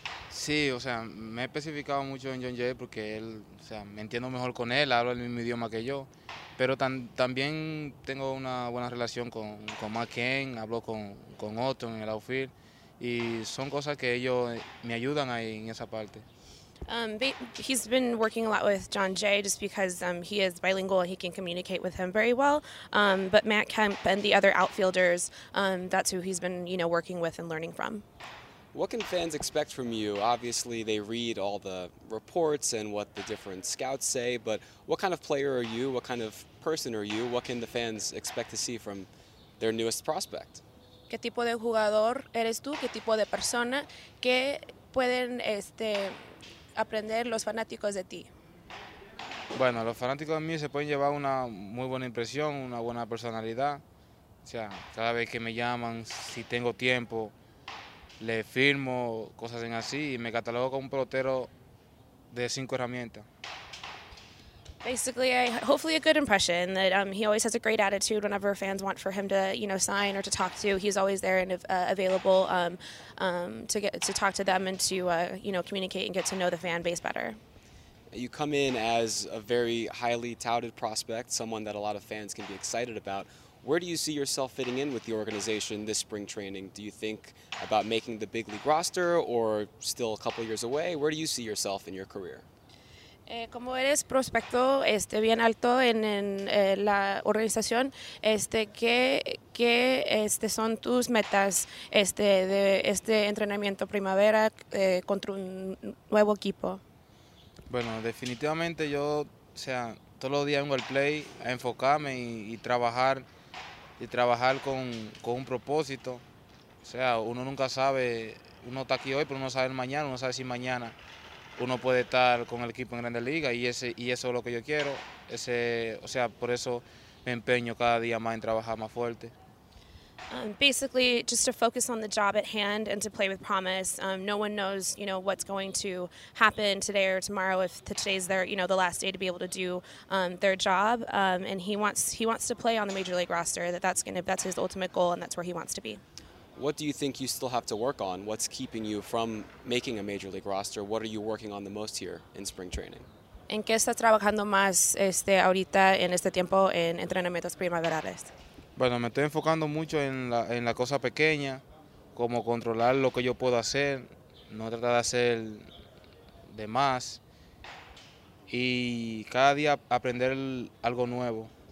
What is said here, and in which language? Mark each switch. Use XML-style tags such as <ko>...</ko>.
<es>Sí, o sea, me he especificado mucho en John Jay porque él, o sea, me entiendo mejor con él, hablo el mismo idioma que yo. Pero también tengo una buena relación con Matt Cain, hablo con Otto en el outfield. Y son cosas que ellos me ayudan ahí en esa parte.</es> <en>He's been working a lot with John Jay just because he is bilingual and he can communicate with him very well. But Matt Kemp and the other outfielders, that's who he's been, you know, working with and learning from. What can fans expect from you? Obviously, they read all the reports and what the different scouts say, but what kind of player are you? What kind of person are you? What can the fans expect to see from their newest prospect?</en> <es>¿Qué tipo de jugador eres tú? ¿Qué tipo de persona? ¿Qué pueden aprender los fanáticos de ti? Bueno, los fanáticos de mí se pueden llevar una muy buena impresión, una buena personalidad. O sea, cada vez que me llaman, si tengo tiempo, le firmo cosas en así y me catalogo como un pelotero de cinco herramientas.</es> <en>Basically, hopefully a good impression that he always has a great attitude whenever fans want for him to, you know, sign or to talk to. He's always there and available to talk to them and to, you know, communicate and get to know the fan base better. You come in as a very highly touted prospect, someone that a lot of fans can be excited about. Where do you see yourself fitting in with the organization this spring training? Do you think about making the big league roster or still a couple years away? Where do you see yourself in your career?</en> <es>Como eres prospecto bien alto en la organización, ¿qué son tus metas de este entrenamiento primavera contra un nuevo equipo? Bueno, definitivamente yo, o sea, todos los días vengo al play a enfocarme y trabajar con un propósito. O sea, uno nunca sabe, uno está aquí hoy, pero uno sabe el mañana, uno sabe si mañana uno puede estar con el equipo en Grandes Ligas y eso es lo que yo quiero. O sea, por eso me empeño cada día más en trabajar más fuerte.</es> <en>Basically, just to focus on the job at hand and to play with promise. No one knows, you know, what's going to happen today or tomorrow. If today's their, you know, the last day to be able to do their job, and he wants to play on the major league roster. That's his ultimate goal, and that's where he wants to be. What do you think you still have to work on? What's keeping you from making a major league roster? What are you working on the most here in spring training?</en> <es>¿En qué estás trabajando más ahorita en este tiempo en entrenamientos primaverales? Bueno, me estoy enfocando mucho en la cosa pequeña, como controlar lo que yo puedo hacer, no tratar de hacer de más, y cada día aprender algo nuevo.</es>